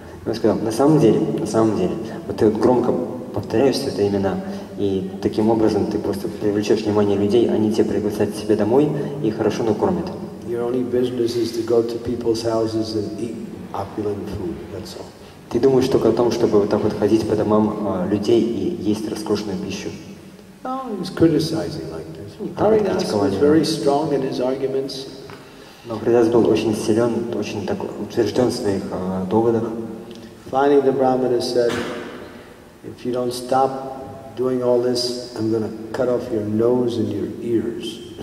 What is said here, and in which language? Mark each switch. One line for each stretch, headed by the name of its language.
Russian: Он сказал, на самом деле, вот ты вот громко повторяешь это имена, и таким образом ты просто привлечешь внимание людей, они тебя пригласят к себе домой и хорошо накормят.
English: Your only business is to go to people's houses and eat opulent food, that's all.
Russian: Ты думаешь только о том, чтобы вот так вот ходить по домам людей и есть роскошную пищу.
English: Oh, he's criticizing like this. Haridas was very strong in his arguments.
Russian: Но Haridas был очень силен, очень так утвержден в своих доводах.
English: Finally, the Brahmana said, "If you don't stop doing all this, I'm going to cut off your nose and your ears."